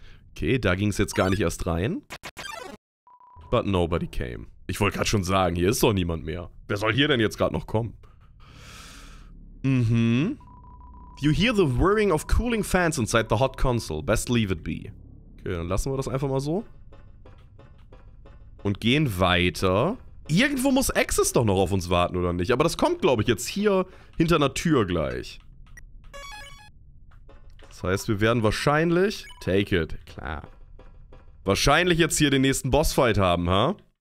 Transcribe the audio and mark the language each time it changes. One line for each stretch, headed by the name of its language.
German: Okay, da ging es jetzt gar nicht erst rein.
English: But nobody came.
German: Ich wollte gerade schon sagen, hier ist doch niemand mehr. Wer soll hier denn jetzt gerade noch kommen? Mhm.
English: You hear the whirring of cooling fans inside the hot console. Best leave it be.
German: Okay, dann lassen wir das einfach mal so. Und gehen weiter. Irgendwo muss Access doch noch auf uns warten, oder nicht? Aber das kommt, glaube ich, jetzt hier hinter einer Tür gleich. Das heißt, wir werden wahrscheinlich...
English: Take it.
German: Klar. Wahrscheinlich jetzt hier den nächsten Bossfight haben, ha? Huh?